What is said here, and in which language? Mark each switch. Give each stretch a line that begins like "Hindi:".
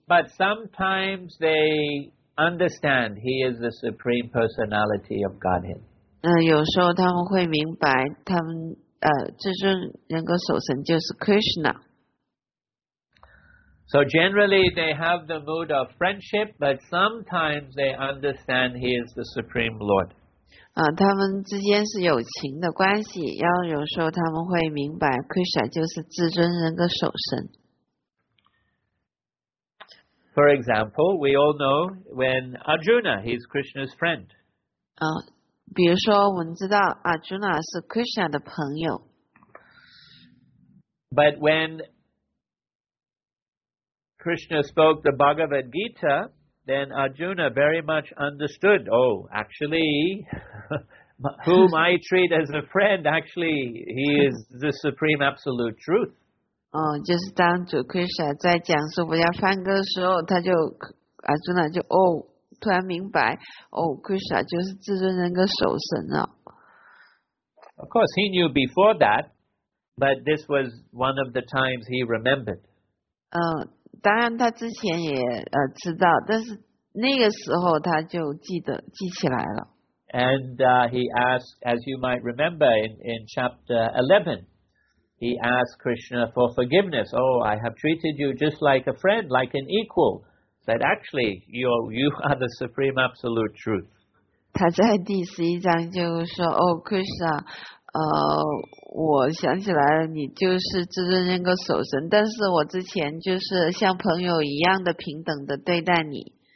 English: But sometimes they understand he is the supreme personality of Godhead.
Chinese: 有时候他们会明白，他们至尊人格首神就是 Krishna。
English: So generally they have the mood of friendship, but sometimes they understand he is the supreme Lord.
Chinese: 他们之间是友情的关系，然后有时候他们会明白 Krishna 就是至尊人格首神。
English: For example, we all know when Arjuna, he's Krishna's friend.
Chinese: 比如说我们知道 Arjuna 是 Krishna 的朋友。
English: But when Krishna spoke the Bhagavad Gita, then Arjuna very much understood, oh, actually, whom I treat as a friend, actually, he is the Supreme Absolute Truth.
Chinese: Oh, 就是当主 Krishna 在讲说我要翻歌的时候，他就阿朱娜就哦，突然明白哦 ，Krishna 就是至尊人格守神了。
English: Of course, he knew before that, but this was one of the times he remembered.
Chinese: 当然他之前也知道，但是那个时候他就记起来了。
English: And he asked, as you might remember, in chapter 11. He asked Krishna for forgiveness. Oh, I have treated you just like a friend, like an equal. Said, actually, you are the Supreme Absolute Truth.
Chinese: 他在第十一章就说，哦，Krishna，我想起来了，你就是至尊人格守神，但是我之前就是像朋友一样的平等的对待你。